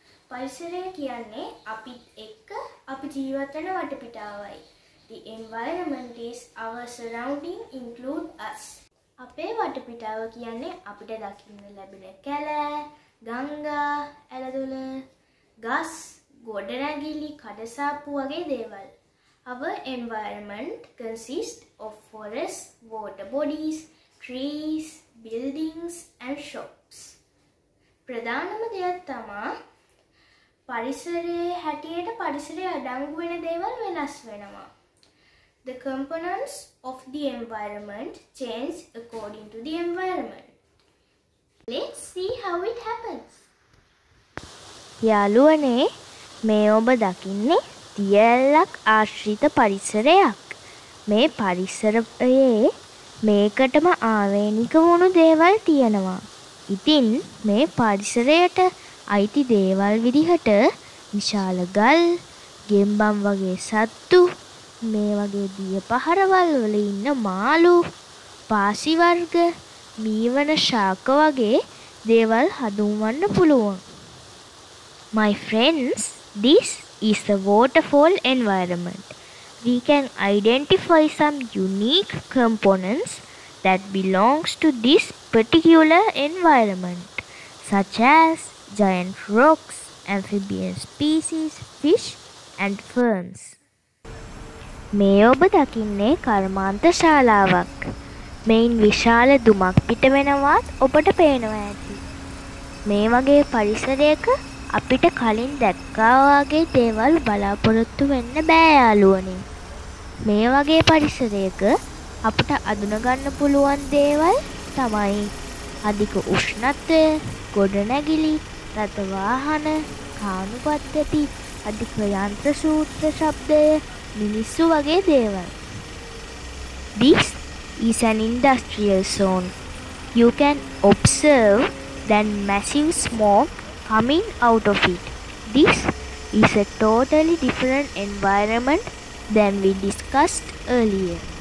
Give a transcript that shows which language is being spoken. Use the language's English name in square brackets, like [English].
[Sinhala] පරිසරය කියන්නේ අපිත් එක්ක අපි ජීවත් වෙන වටපිටාවයි [English] the environment is our surrounding include us [Sinhala] අපේ වටපිටාව කියන්නේ අපිට දකින්න ලැබෙන කැල, ගංගා, ඇළදොළ, ගස්, ගොඩනැගිලි, කඩසාප්පු වගේ දේවල්. [English] Our environment consists of forests, water bodies, trees, buildings and shops. [Sinhala] ප්‍රධානම දෙයක් තමයි පරිසරයේ හැටියට පරිසරය අඩංගු වෙන දේවල් වෙනස් වෙනවා. [English] The components of the environment change according to the environment. Let's see how it happens. [Sinhala] යාළුවනේ මේ ඔබ දකින්නේ දියලක් ආශ්‍රිත පරිසරයක්. මේ පරිසරයේ මේකටම ආවේනික වුණු දේවල් තියෙනවා. ඉතින් මේ පරිසරයට අයිති දේවල් විදිහට විශාල ගල්, ගෙම්බම් වගේ සත්තු මේ වගේ දිය පහරවල් වල ඉන්න මාළු, පාසි වර්ග, මීවන ශාක වගේ දේවල් හඳුන්වන්න පුළුවන්. [English] My friends, this is a waterfall environment. We can identify some unique components that belongs to this particular environment, such as giant rocks, amphibian species, fish, and ferns. [Sinhala] මේ ඔබ දකින්නේ කර්මාන්ත ශාලාවක්. මෙයින් විශාල දුමක් පිට වෙනවත් ඔබට පේනවා ඇති. මේ වගේ පරිසරයක අපිට කලින් දැක්කා වගේ දේවල් බලාපොරොත්තු වෙන්න බෑ යාළුවනේ. මේ වගේ පරිසරයක අපිට අඳුනගන්න පුළුවන් දේවල් තමයි අධික උෂ්ණත්වය, ගොඩනැගිලි, රථ වාහන, කාමු පද්ධති, අධික යන්ත්‍ර සූත්‍ර ශබ්දය, මිනිස්සු වගේ දේවල්. [English] This is an industrial zone. You can observe that massive smoke coming out of it. This is a totally different environment than we discussed earlier.